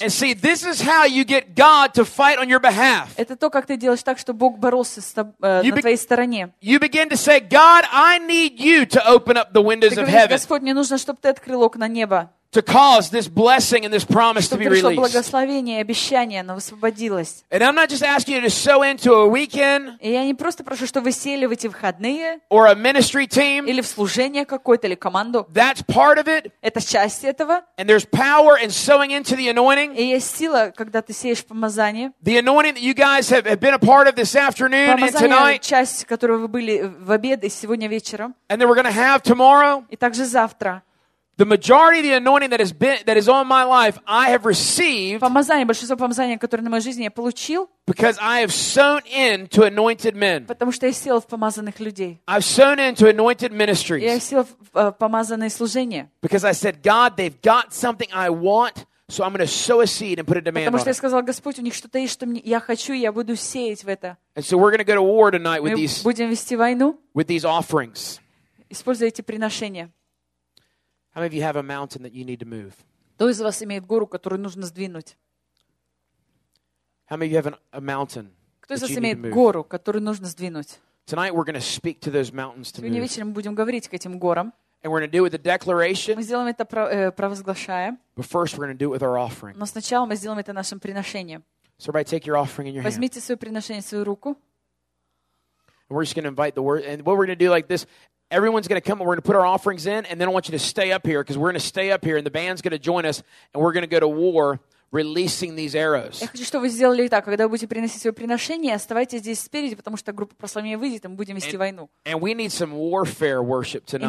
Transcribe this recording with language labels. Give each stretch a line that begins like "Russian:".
English: And see, this is how you get God to fight on your behalf.
Russian: Это то, как ты делаешь так, чтобы Бог боролся с тобой на твоей стороне.
English: You begin to say, God, I need you to open up the windows of heaven.
Russian: Господь, мне нужно, чтобы ты открыл окна неба.
English: To cause this blessing and this promise
Russian: чтобы
English: to be released.
Russian: Чтобы пришло благословение и обещание, оно освободилось.
English: And I'm not just asking you to sow into a weekend.
Russian: И я не просто прошу, чтобы вы сели в эти выходные.
English: Or a ministry team.
Russian: Или в служение какое-то, или команду.
English: That's part of it.
Russian: Это часть этого.
English: And there's power in sowing into the anointing.
Russian: И есть сила, когда ты сеешь помазание.
English: The anointing that you guys have been a part of this afternoon
Russian: помазание
English: and tonight.
Russian: Часть, которую вы были в обед и сегодня вечером.
English: And then we're going to have tomorrow.
Russian: И также завтра.
English: The majority of the anointing that is on my life, I have received.
Russian: Помазание, большинство помазания, которое на моей жизни я получил.
English: Because I have sown into anointed men.
Russian: Потому что я сел в помазанных людей.
English: I've sown into anointed ministries.
Russian: Я сел в помазанное служение.
English: Because I said, God, they've got something I want, so I'm going to sow a seed and put a demand on it.
Russian: Потому что я сказал, Господь, у них что-то есть, что мне я хочу, и я буду сеять в это.
English: And so we're going to go to war tonight with these.
Russian: Мы будем вести войну.
English: With these offerings.
Russian: Используя эти приношения.
English: How many of you have a mountain that you need to move?
Russian: Кто из вас имеет гору, которую нужно сдвинуть?
English: How many of you have a mountain?
Russian: Кто из вас имеет гору, которую нужно сдвинуть?
English: Tonight we're going to speak to those mountains to move.
Russian: Сегодня вечером мы будем говорить к этим горам.
English: And we're going to do it with a declaration.
Russian: Мы сделаем это провозглашая.
English: But first we're going to do it with our offering.
Russian: Но сначала мы сделаем это нашим приношением.
English: So everybody take your offering in your
Russian: возьмите Возьмите свое приношение в свою руку.
English: And we're just going to invite the word. And what we're going to do like this. Everyone's going to come and we're going to put our offerings in and then I want you to stay up here because we're going to stay up here and the band's going to join us and we're going to go to war releasing these arrows.
Russian: Я хочу, чтобы вы сделали так, когда вы будете приносить свое приношение, оставайтесь здесь спереди, потому что группа прославления выйдет, и мы будем вести войну.
English: And we need some warfare worship tonight.